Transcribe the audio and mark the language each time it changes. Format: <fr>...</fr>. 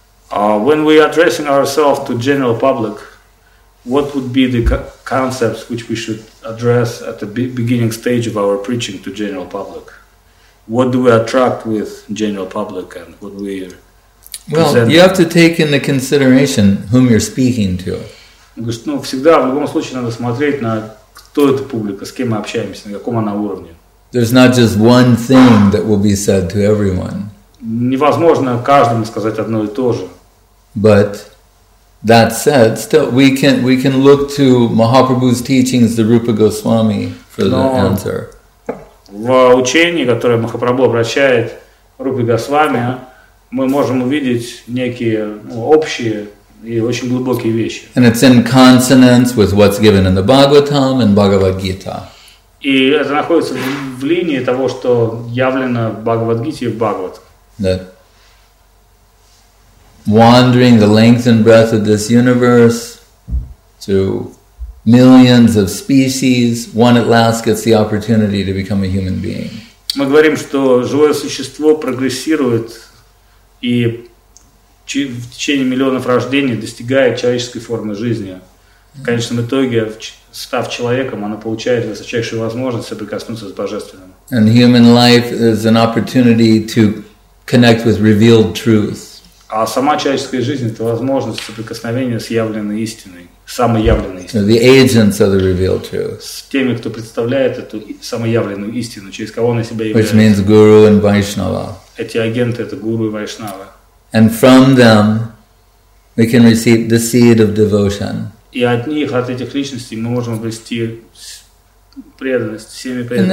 <en>When we are addressing ourselves to general public, what would be the concepts which we should address at the beginning stage of our preaching to general public? What do we attract with general public and what we present? Well, you have to take into consideration whom you're speaking to.</en> <ru>Ну, всегда, в любом случае, надо смотреть на кто эта публика, с кем мы общаемся, на каком она уровне.</ru> <en>There's not just one thing that will be said to everyone.</en> <ru>Невозможно каждому сказать одно и то же.</ru> <en>But that said, still we can look to Mahaprabhu's teachings, the Rupa Goswami, for the answer.</en> <ru>В учении, которое Махапрабху обращает Рупе Госвами, мы можем увидеть некие общие и очень глубокие вещи.</ru> <en>And it's in consonance with what's given in the Bhagavatam and Bhagavad-gita.</en> <ru>И это находится в линии того, что явлено в Бхагавад-гите и в Бхагавате.</ru> <en>That wandering the length and breadth of this universe to millions of species, one at last gets the opportunity to become a human being.</en> <ru>Мы говорим, что живое существо прогрессирует и в течение миллионов рождений достигает человеческой формы жизни. В конечном итоге, став человеком, оно получает высочайшую возможность соприкоснуться с Божественным.</ru> <en>And human life is an opportunity to connect with revealed truth.</en> <ru>А сама человеческая жизнь – это возможность соприкосновения с явленной истиной, самоявленной истиной.</ru> <en>The agents of the revealed truth.</en> <ru>С теми, кто представляет эту самоявленную истину, через кого она себя является.</ru> <en>Which means guru and Vaishnava.</en> <ru>Эти агенты – это гуру и вайшнава.</ru> <en>And from them, we can receive the seed of devotion.</en> <ru>И от них, от этих личностей, мы можем обрести преданность, семя преданности.</ru>